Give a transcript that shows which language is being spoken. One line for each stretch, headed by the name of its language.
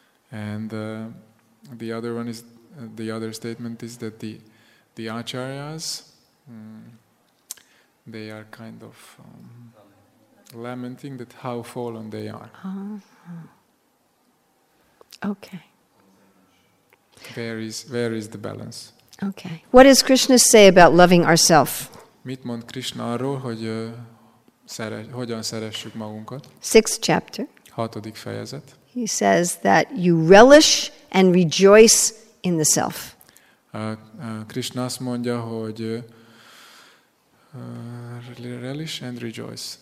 English: And the other one is the other statement is that the acharyas they are kind of lamenting that how fallen they are. Uh-huh. Okay. Where is the balance? Okay. What does Krishna say about loving ourselves?
Hungarian: Mit mond Krishna arról, hogy hogyan szeressük magunkat?
English: Sixth chapter.
Hungarian: Hatodik fejezet.
English: He says that you relish and rejoice in the self.
Hungarian: Krishna azt mondja, hogy
English: relish and rejoice.